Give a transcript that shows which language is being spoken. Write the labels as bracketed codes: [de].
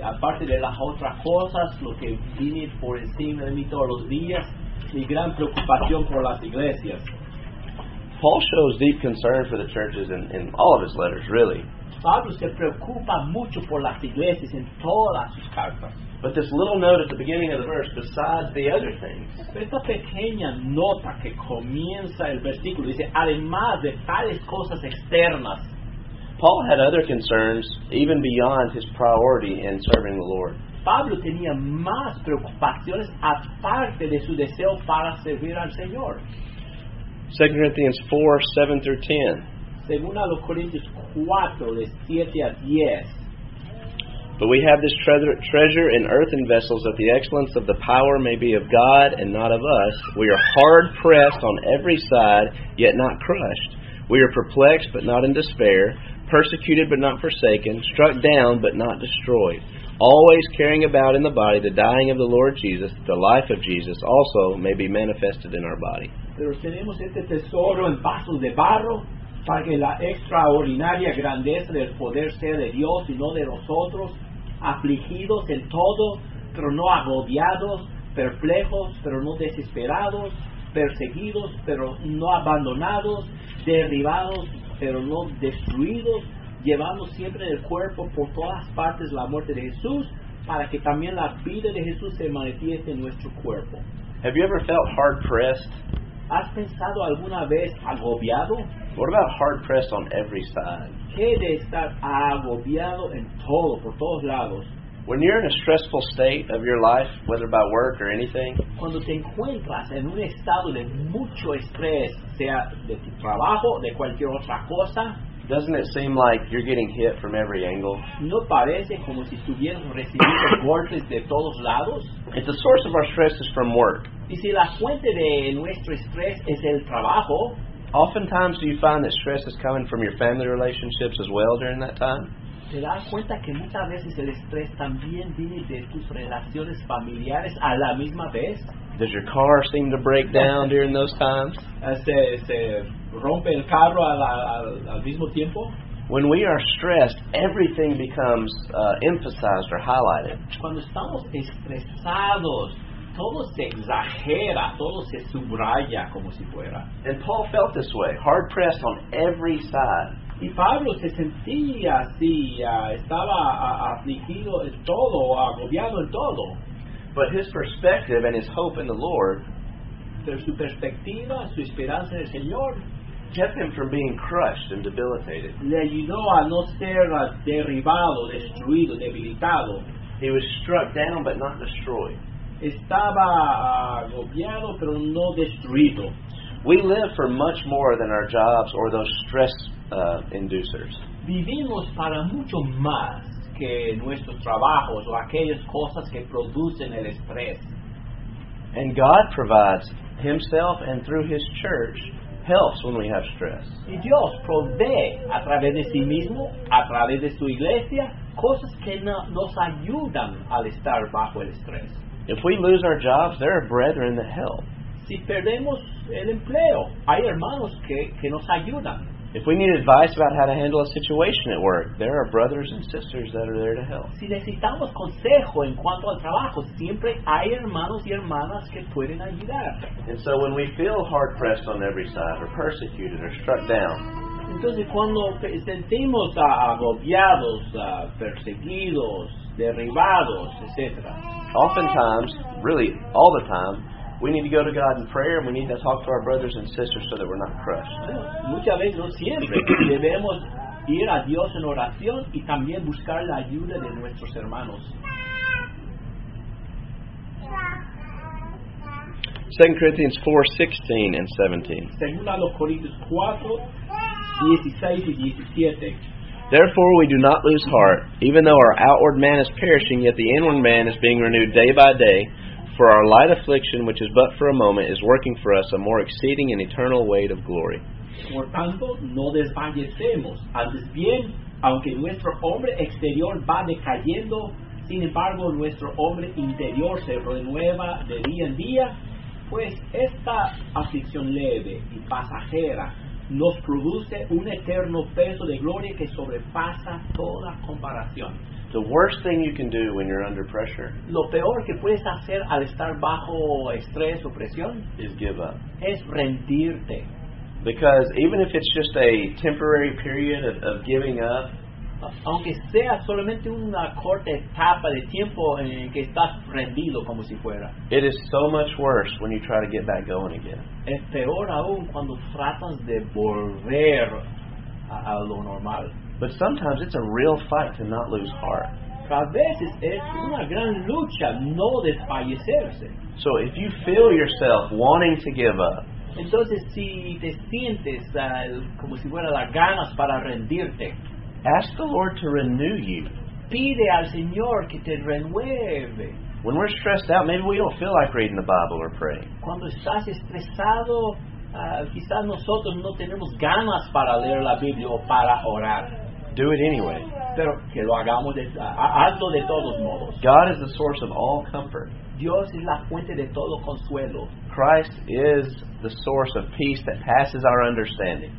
[es] Aparte de las otras cosas, lo que viene por encima de mí todos los días, mi gran preocupación por las iglesias. [en] Paul shows deep concern for the churches in all of his letters, really. [es] Pablo se preocupa mucho por las iglesias en todas sus cartas. [en] But this little note at the beginning of the verse, besides the other things. [es] Esta pequeña nota que comienza el versículo dice, además de tales cosas externas. [en] Paul had other concerns even beyond his priority in serving the Lord. [es] Pablo tenía más preocupaciones aparte de su deseo para servir al Señor. [en] 2 Corinthians 4:7-10. [es] Según a los Corintios 4, de 7 a 10. [en] But we have this treasure in earthen vessels that the excellence of the power may be of God and not of us. We are hard pressed on every side, yet not crushed. We are perplexed, but not in despair. Persecuted, but not forsaken. Struck down, but not destroyed. Always carrying about in the body the dying of the Lord Jesus, that the life of Jesus also may be manifested in our body. [es] Pero tenemos este tesoro en vasos de barro. Para que la extraordinaria grandeza del poder sea de Dios y no de nosotros, afligidos en todo, pero no agobiados, perplejos, pero no desesperados, perseguidos, pero no abandonados, derribados, pero no destruidos, llevando siempre en el cuerpo por todas partes la muerte de Jesús, para que también la vida de Jesús se manifieste en nuestro cuerpo. [en] Have you ever felt hard pressed? [es] ¿Has pensado alguna vez agobiado? [en] What about hard pressed on every side? [es] ¿Qué de estar agobiado en todo, por todos lados? [en] When you're in a stressful state of your life, whether by work or anything, [es] cuando te encuentras en un estado de mucho estrés, sea de tu trabajo, de cualquier otra cosa, [en] doesn't it seem like you're getting hit from every angle? [es] ¿No parece como si estuvieras recibiendo golpes de todos lados? [en] If the source of our stress is from work, [es] y si la fuente de nuestro estrés es el trabajo, [en] oftentimes do you find that stress is coming from your family relationships as well during that time? [es] ¿Te das cuenta que muchas veces el estrés también viene de tus relaciones familiares a la misma vez? [en] Does your car seem to break down during those times? [es] ¿Se rompe el carro al mismo tiempo? [en] When we are stressed, everything becomes emphasized or highlighted. [es] Cuando estamos estresados, todo se exagera, todo se subraya como si fuera. [en] And Paul felt this way, hard pressed on every side. [es] Y Pablo se sentía así, estaba afligido en todo, agobiado en todo. [en] But his perspective and his hope in the Lord, [es] pero su perspectiva, su esperanza en el Señor, [en] kept him from being crushed and debilitated. [es] Le ayudó a no ser derribado, destruido, debilitado. [en] He was struck down but not destroyed. [es] Estaba agobiado pero no destruido. [en] We live for much more than our jobs or those stress inducers. [es] Vivimos para mucho más que nuestros trabajos o aquellas cosas que producen el estrés. [en] And God provides himself and through his church helps when we have stress. [es] Y Dios provee a través de sí mismo, a través de su iglesia, cosas que nos ayudan al estar bajo el estrés. [en] If we lose our jobs, there are brethren that help. [es] Si perdemos el empleo, hay hermanos que nos ayudan. [en] If we need advice about how to handle a situation at work, there are brothers and sisters that are there to help. [es] Si necesitamos consejo en cuanto al trabajo, siempre hay hermanos y hermanas que pueden ayudar. [en] And so when we feel hard pressed on every side, or persecuted, or struck down, [es] entonces cuando sentimos agobiados, perseguidos, derribados, etc., [en] oftentimes, really all the time, we need to go to God in prayer and we need to talk to our brothers and sisters so that we're not crushed. [es] Muchas veces, no siempre, debemos ir a Dios en oración y también buscar la ayuda de nuestros hermanos. [en] 2 Corinthians 4:16 and 17. [es] Segunda los Corintios 4, 16 y 17. [en] Therefore we do not lose heart, even though our outward man is perishing, yet the inward man is being renewed day by day. For our light affliction, which is but for a moment, is working for us a more exceeding and eternal weight of glory. [es] Por tanto, no desfallecemos. Antes bien, aunque nuestro hombre exterior va decayendo, sin embargo, nuestro hombre interior se renueva de día en día, pues esta aflicción leve y pasajera nos produce un eterno peso de gloria que sobrepasa toda comparación. [en] The worst thing you can do when you're under pressure, [es] lo peor que puedes hacer al estar bajo estrés o presión, [en] is give up. [es] Es rendirte. [en] Because even if it's just a temporary period of giving up, [es] aunque sea solamente una corta etapa de tiempo en que estás rendido como si fuera, [en] it is so much worse when you try to get back going again. [es] Es peor aún cuando tratas de volver a lo normal. [en] But sometimes it's a real fight to not lose heart. [es] A veces es una gran lucha no desfallecerse. [en] So if you feel yourself wanting to give up, [es] entonces si te sientes como si fuera las ganas para rendirte, [en] ask the Lord to renew you. [es] Pide al Señor que te renueve. [en] When we're stressed out, maybe we don't feel like reading the Bible or praying. [es] Cuando estás estresado, quizás nosotros no tenemos ganas para leer la Biblia o para orar. [en] Do it anyway. [es] Pero que lo hagamos de, hazlo de todos modos. [en] God is the source of all comfort. [es] Dios es la fuente de todo consuelo. [en] Christ is the source of peace that passes our understanding.